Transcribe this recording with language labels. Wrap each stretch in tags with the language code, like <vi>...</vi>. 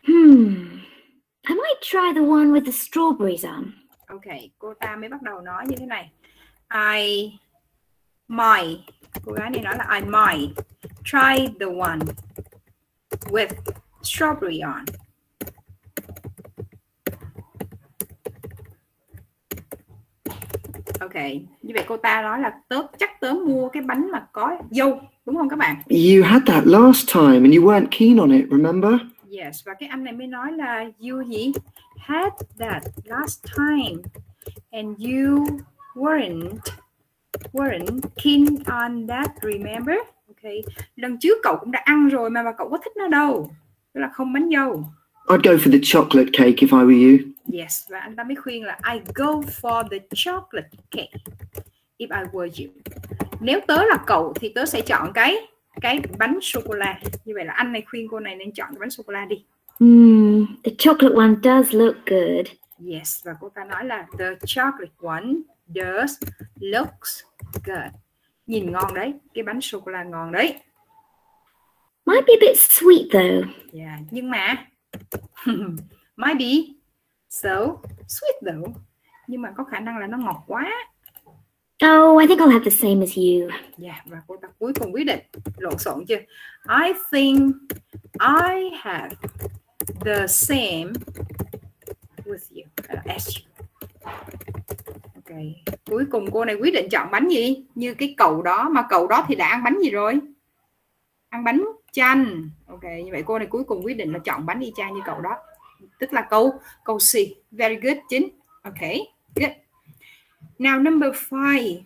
<en>I might try the one with the strawberries on.</en> <vi>Okay, cô ta mới bắt đầu nói như thế này.</vi> <en>I might, cô gái này nói là I might try the one with strawberry on.</en> <vi>Okay, như vậy cô ta nói là tớ chắc tớ mua cái bánh mà có dâu, đúng không các bạn?</vi> <en>You had that last time and you weren't keen on it, remember? Yes,</en> <vi>và cái anh này mới nói là</vi> <en>you he had that last time and you weren't keen on that, remember? Okay.</en> <vi>Lần trước cậu cũng đã ăn rồi mà cậu có thích nó đâu. Tức là không bánh dâu.</vi> <en>I'd go for the chocolate cake if I were you. Yes,</en> <vi>và anh ta mới khuyên là</vi> <en>I'd go for the chocolate cake if I were you.</en> <vi>Nếu tớ là cậu thì tớ sẽ chọn cái bánh sô cô la. Như vậy là anh này khuyên cô này nên chọn cái bánh sô cô la đi.</vi> <en>The chocolate one does look good. Yes,</en> <vi>và cô ta nói là</vi> <en>the chocolate one does looks good.</en> <vi>Nhìn ngon đấy, cái bánh sô cô la ngon đấy.</vi> <en>Might be a bit sweet though. Yeah,</en> <vi>nhưng mà</vi> <en>might be so sweet though.</en> <vi>Nhưng mà có khả năng là nó ngọt quá.</vi> <en>Oh, I think I'll have the same as you.</en> <vi>Yeah, và cô ta cuối cùng quyết định. Lộn xộn chưa?</vi> <en>I think I have the same with you. As you. Okay.</en> <vi>Cuối cùng cô này quyết định chọn bánh gì? Như cái cậu đó. Mà cậu đó thì đã ăn bánh gì rồi? Ăn bánh chanh. Okay, như vậy cô này cuối cùng quyết định là chọn bánh y chang như cậu đó. Tức là câu C.</vi> <en>Very good,</en> <vi>chính.</vi> <en>Okay, good. Now number 5.</en>